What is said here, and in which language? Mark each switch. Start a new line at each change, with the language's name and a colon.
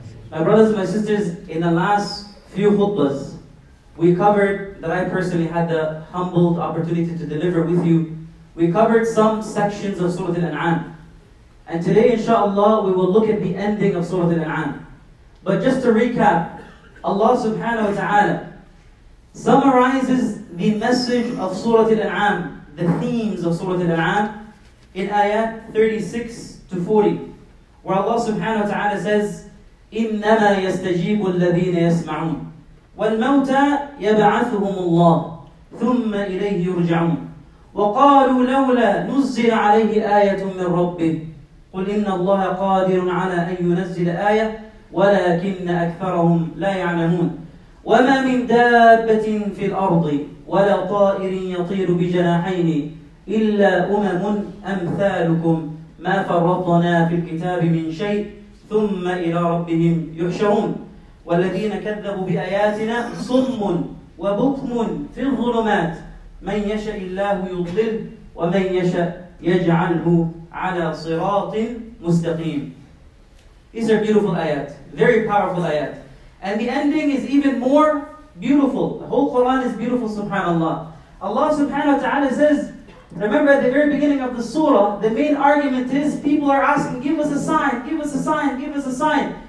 English: My brothers and my sisters, in the last few khutbahs, we covered, that I personally had the humbled opportunity to deliver with you, we covered some sections of Surah Al-An'am. And today, inshaAllah, we will look at the ending of Surah Al-An'am. But just to recap, Allah subhanahu wa ta'ala summarizes the message of Surah Al-An'am, the themes of Surah Al-An'am, in ayah 36 to 40, where Allah subhanahu wa ta'ala says,
Arabic: إِنَّمَا يَسْتَجِيبُ الَّذِينَ يَسْمَعُونَ وَالْمَوْتَى يَبْعَثُهُمُ اللَّهُ ثُمَّ إِلَيْهِ يُرْجَعُونَ وَقَالُوا لَوْلَا نُزِّلَ عَلَيْهِ آيَةٌ مِّنْ رَبِّهِ قُلْ إِنَّ اللَّهَ قَادِرٌ عَلَىٰ أَنْ يُنَزِّلَ آيَةٌ وَلَكِنَّ أَكْثَرَهُمْ لَا يَعْلَمُونَ وَمَا مِنْ دَابَّةٍ فِي الْأَرْضِ وَلَا طَائِرٍ يَطِيرُ بِجَنَاحَيْنِ إِلَّا أُمَمٌ أَمْثَالُكُمْ مَا فَرَّطْنَا فِي الْكِتَابِ مِنْ شَيْءٍ ثُمَّ إِلَىٰ رَبِّهِمْ يُحْشَرُونَ والذين كذبوا بآياتنا صم وبكم في الظلمات من يشاء الله يضلل ومن يشاء يجعله على صراط مستقيم.
English: These are beautiful ayat, very powerful ayat. And the ending is even more beautiful. The whole Quran is beautiful, subhanAllah. Allah subhanahu wa ta'ala says, remember at the very beginning of the surah, the main argument is people are asking, give us a sign, give us a sign, give us a sign.